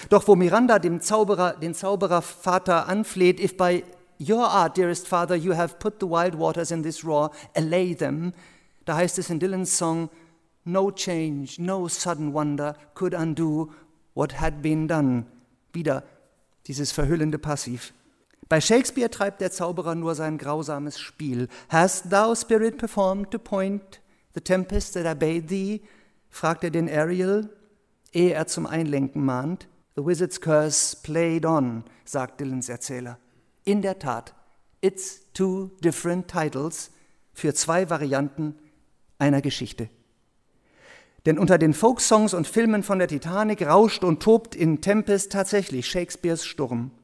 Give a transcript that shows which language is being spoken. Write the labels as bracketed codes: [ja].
[de] Doch wo Miranda den Zauberervater anfleht, [en] if by your art, dearest father, you have put the wild waters in this roar, allay them, [de] da heißt es in Dylans Song, [en] no change, no sudden wonder could undo what had been done. [de] Wieder dieses verhüllende Passiv. Bei Shakespeare treibt der Zauberer nur sein grausames Spiel. [en] Hast thou, Spirit, performed to point the tempest that I bade thee? [de] Fragt er den Ariel, ehe er zum Einlenken mahnt. [en] The wizard's curse played on, [de] sagt Dylans Erzähler. In der Tat, [en] it's two different titles [de] für zwei Varianten einer Geschichte. Denn unter den Folksongs und Filmen von der Titanic rauscht und tobt in Tempest tatsächlich Shakespeares Sturm.